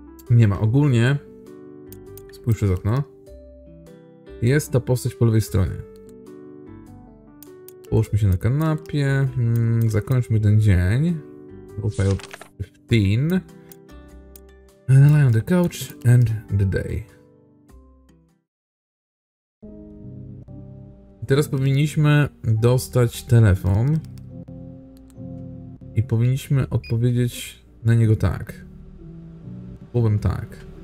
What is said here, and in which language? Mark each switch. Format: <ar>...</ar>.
<pl>Nie ma. Ogólnie, spójrz przez okno, jest ta postać po lewej stronie. Połóżmy się na kanapie, zakończmy ten dzień.</pl> <en>File 15. Lie on the couch and the day.</en> <pl>Teraz powinniśmy dostać telefon i powinniśmy odpowiedzieć na niego tak. Powiem tak.</pl>